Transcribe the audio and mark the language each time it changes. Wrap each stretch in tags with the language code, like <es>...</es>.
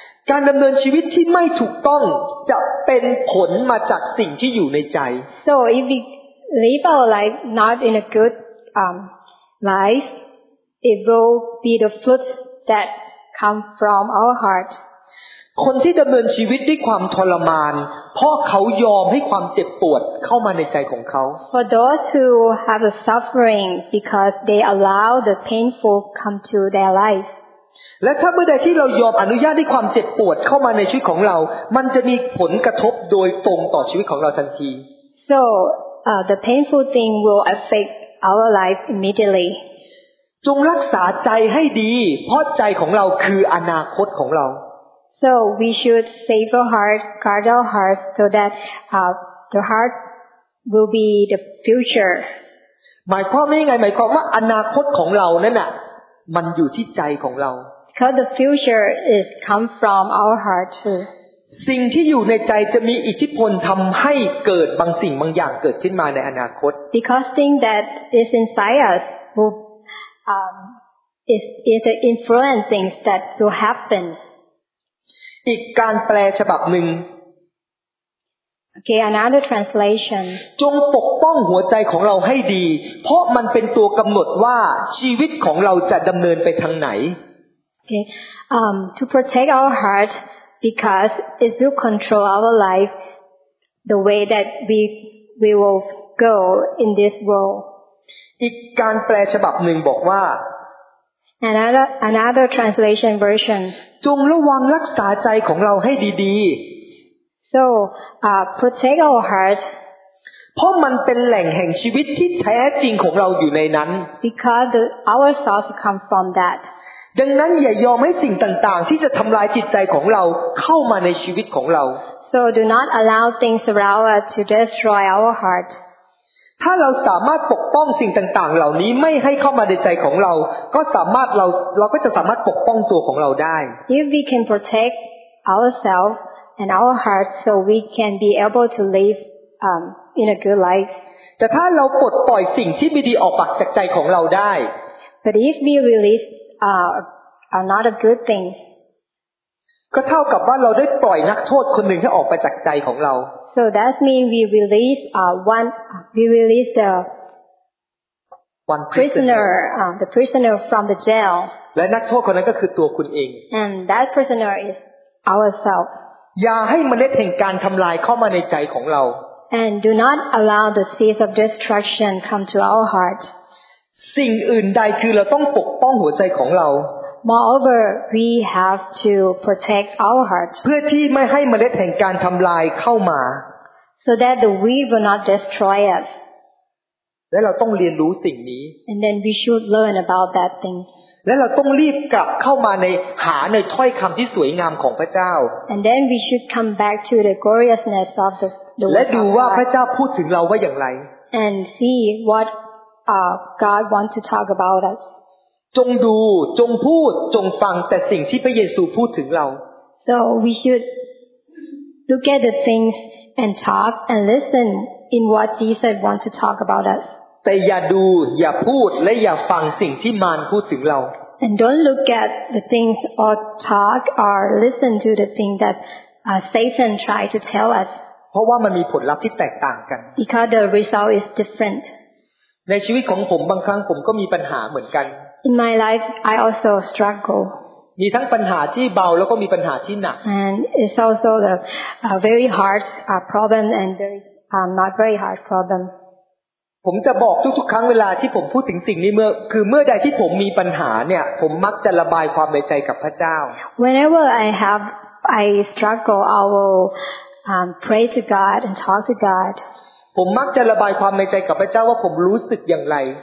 <th>การดำเนินชีวิตที่ไม่ถูกต้องจะเป็นผลมาจากสิ่งที่อยู่ในใจ</th> <en>So if we live our life not in a good life, it will be the fruit that come from our heart.</en> <th>คนที่ดำเนินชีวิตด้วยความทรมานเพราะเขายอมให้ความเจ็บปวดเข้ามาในใจของเขา</th> <en>For those who have the suffering because they allow the painful come to their life.</en> <th>และถ้าเมื่อใดที่เรายอมอนุญาตให้ความเจ็บปวดเข้ามาในชีวิตของเรามันจะมีผลกระทบโดยตรงต่อชีวิตของเราทันที</th> <en>So the painful thing will affect our life immediately</en> <th>จงรักษาใจให้ดีเพราะใจของเราคืออนาคตของเรา</th> <en>So we should save our heart guard our heart so that the heart will be the future</en> <th>หมายความว่ายังไงหมายความว่าอนาคตของเรานั่นน่ะมันอยู่ที่ใจของเรา</th> <en>Because the future is come from our heart too.</en> <th>สิ่งที่อยู่ในใจจะมีอิทธิพลทำให้เกิดบางสิ่งบางอย่างเกิดขึ้นมาในอนาคต</th> <en>Because thing that is inside us will is the influence things that will happen.</en> <th>อีกการแปลฉบับหนึ่ง</th> <en>Okay, another translation.</en> <th>จงปกป้องหัวใจของเราให้ดีเพราะมันเป็นตัวกำหนดว่าชีวิตของเราจะดำเนินไปทางไหน</th> <en>Okay, to protect our heart because it will control our life the way that we will go in this world.</en> <th>อีกการแปลฉบับหนึ่งบอกว่า</th> <en>Another translation version.</en> <th>จงระวังรักษาใจของเราให้ดี</th> <en>ๆ So, protect our heart.</en> <th>เพราะมันเป็นแหล่งแห่งชีวิตที่แท้จริงของเราอยู่ในนั้น</th> <en>Because our source comes from that.</en> <th>ดังนั้นอย่ายอมให้สิ่งต่างๆที่จะทำลายจิตใจของเราเข้ามาในชีวิตของเรา</th> <en>So do not allow things around us to destroy our heart</en> <th>ถ้าเราสามารถปกป้องสิ่งต่างๆเหล่านี้ไม่ให้เข้ามาในใจของเราก็สามารถเราก็จะสามารถปกป้องตัวของเราได้</th> <en>If we can protect ourselves and our heart so we can be able to live in a good life</en> <th>แต่ถ้าเราปลดปล่อยสิ่งที่ไม่ดีออกปากจากใจของเราได้</th> <en>But if we releaseNot a good thing.</en> <th>ก็เท่ากับว่าเราได้ปล่อยนักโทษคนหนึ่งให้ออกไปจากใจของเรา</th> <en>So that means we release the prisoner, the prisoner from the jail.</en> <th>และนักโทษคนนั้นก็คือตัวคุณเอง</th> <en>And that prisoner is ourselves.</en> <th>อย่าให้เมล็ดแห่งการทำลายเข้ามาในใจของเรา</th> <en>And do not allow the seeds of destruction come to our heart.</en> <th>สิ่งอื่นใดคือเราต้องปกป้องหัวใจของเรา</th> <en>Moreover, we have to protect our hearts</en> <th>เพื่อที่ไม่ให้เมล็ดแห่งการทำลายเข้ามา</th> <en>So that the weed will not destroy us</en> <th>และเราต้องเรียนรู้สิ่งนี้</th> <en>And then we should learn about that thing</en> <th>และเราต้องรีบกลับเข้ามาในหาในถ้อยคำที่สวยงามของพระเจ้า</th> <en>And then we should come back to the gloriousness of the word of God</en> <th>และดูว่าพระเจ้าพูดถึงเราว่าอย่างไร</th> <en>And see whatGod wants to talk about us.</en> <th>จงดูจงพูดจงฟังแต่สิ่งที่พระเยซูพูดถึงเรา</th> <en>So we should look at the things and talk and listen in what Jesus wants to talk about us.</en> <th>แต่อย่าดูอย่าพูดและอย่าฟังสิ่งที่มารพูดถึงเรา</th> <en>And don't look at the things or talk or listen to the thing that Satan tried to tell us.</en> <th>เพราะว่ามันมีผลลัพธ์ที่แตกต่างกัน</th> <en>Because the result is different.</en> <th>ในชีวิตของผมบางครั้งผมก็มีปัญหาเหมือนกัน</th> <en>In my life I also struggle</en> <th>มีทั้งปัญหาที่เบาแล้วก็มีปัญหาที่หนัก</th> <en>And it's also the very hard problem and very not very hard problem</en> <th>ผมจะบอกทุกๆครั้งเวลาที่ผมพูดถึงสิ่งนี้เมื่อใดที่ผมมีปัญหาเนี่ยผมมักจะระบายความในใจกับพระเจ้า</th> <en>Whenever I struggle I will pray to God and talk to God</en> <th>ผมมักจะระบายความในใจกับพระเจ้าว่าผมรู้สึกอย่างไร</th>